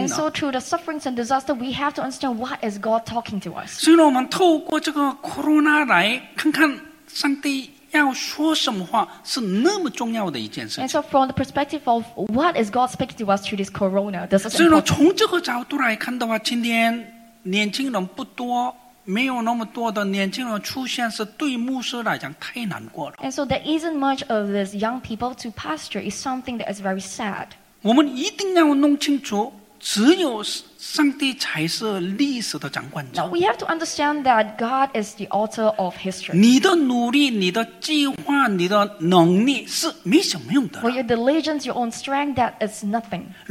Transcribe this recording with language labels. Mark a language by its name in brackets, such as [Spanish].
[English] And so through the sufferings and disaster, we have to understand what is God talking to us. [Chinese] 所以呢，我们透过这个 corona 来看看上帝要说什么话，是那么重要的一件事情。 [English] And so from the perspective of what is God speaking to us through this corona, this is important. [Chinese] 所以呢，从这个角度来看的话，今天年轻人不多。没有那么多的年轻人出现，是对牧师来讲太难过了。 [English] And so there isn't much of this young people to pastor is something that is very sad. [Chinese] 我们一定要弄清楚，只有上帝才是历史的掌管者。 [English] Now we have to understand that God is the author of history. [Chinese] 你的努力、你的计划、你的能力是没什么用的。 [English] Or your diligence, your own strength, that is nothing.